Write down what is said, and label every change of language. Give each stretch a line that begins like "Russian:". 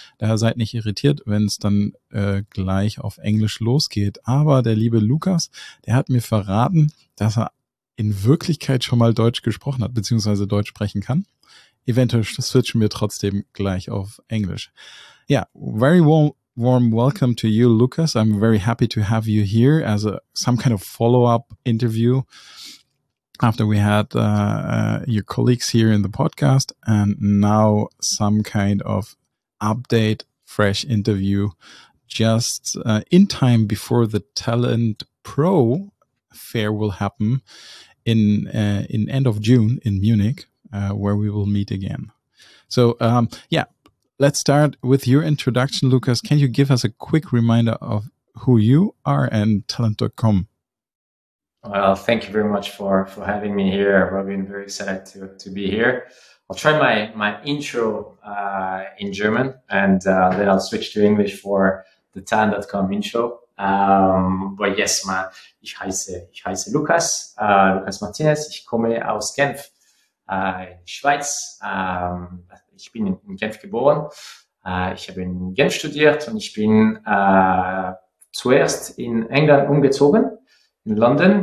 German: Daher seid nicht irritiert, wenn es dann gleich auf Englisch losgeht. Aber der liebe Lukas, der hat mir verraten, dass er in Wirklichkeit schon mal Deutsch gesprochen hat, beziehungsweise Deutsch sprechen kann. Eventuell switchen wir trotzdem gleich auf Englisch.
English: Yeah, very warm welcome to you, Lukas. I'm very happy to have you here as some kind of follow-up interview after we had your colleagues here in the podcast, and now some kind of update, fresh interview just in time before the Talent Pro Fair will happen in end of June in Munich. Where we will meet again. So, let's start with your introduction, Lukas. Can you give us a quick reminder of who you are and talent.com? Well, thank you very much for having me here, Robin. Very excited to be here. I'll try my intro in German, and then I'll switch to English for the talent.com intro. But yes,
German: ich heiße Lukas, Lukas Martinez. Ich komme aus Genf. Schweiz. Ich bin in Genf geboren. Ich habe in Genf studiert und ich bin zuerst in England umgezogen, in London.